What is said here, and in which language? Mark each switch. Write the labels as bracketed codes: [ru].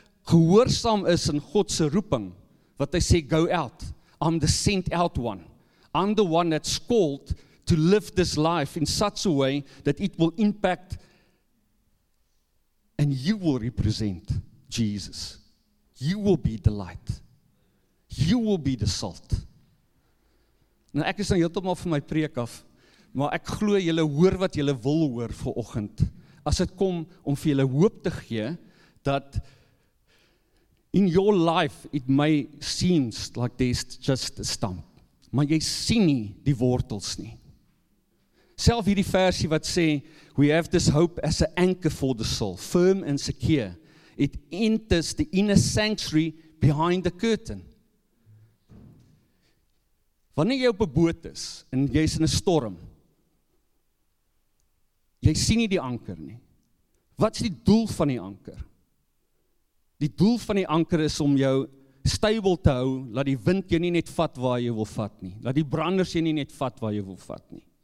[af] gehoorsaam is in God se roeping, wat hy sê, [en] go out, I'm the sent out one. I'm the one that's called to live this life in such a way that it will impact and you will represent Jesus. You will be the light. You will be the salt. [af] Nou ek is nou heeltemal van my preek af, maar ek glo julle hoor wat julle wil hoor vanoggend. As het kom om vir julle hoop te gee, dat [en] in your life it may seem like there's just a stump. [af] Maar jy sien nie die wortels nie. Self hierdie versie wat sê, [en] we have this hope as an anchor for the soul, firm and secure. It enters the inner sanctuary behind the curtain. [af] Wanneer jy op 'n boot is, en jy is in 'n storm, jy sien nie die anker nie. Wat is die doel van die anker? Die doel van die anker is om jou stabiel te hou, laat die wind jou nie net vat waar jy wil vat nie, laat die branders jou nie net vat waar jy wil vat nie.